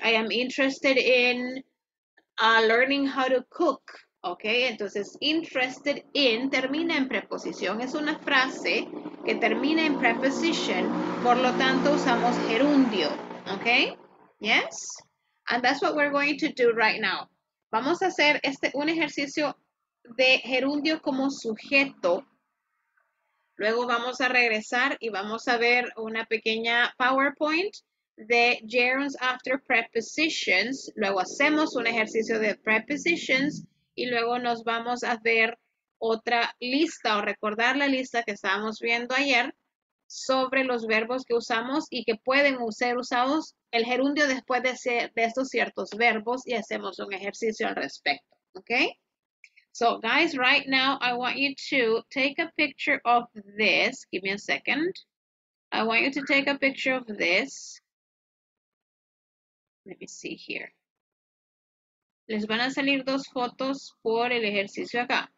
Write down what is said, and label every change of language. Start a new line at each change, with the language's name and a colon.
English: I am interested in learning how to cook.
Spanish: Okay, entonces interested in termina en preposición. Es una frase que termina en preposition. Por lo tanto, usamos gerundio. Okay, yes.
English: And that's what we're going to do right now.
Spanish: Vamos a hacer este un ejercicio de gerundio como sujeto. Luego vamos a regresar y vamos a ver una pequeña PowerPoint de gerunds after prepositions. Luego hacemos un ejercicio de prepositions. Y luego nos vamos a ver otra lista o recordar la lista que estábamos viendo ayer sobre los verbos que usamos y que pueden ser usados el gerundio después de, ser, de estos ciertos verbos y hacemos un ejercicio al respecto, okay?
English: So, guys, right now I want you to take a picture of this. Give me a second. I want you to take a picture of this. Let me see here.
Spanish: Les van a salir dos fotos por el ejercicio acá.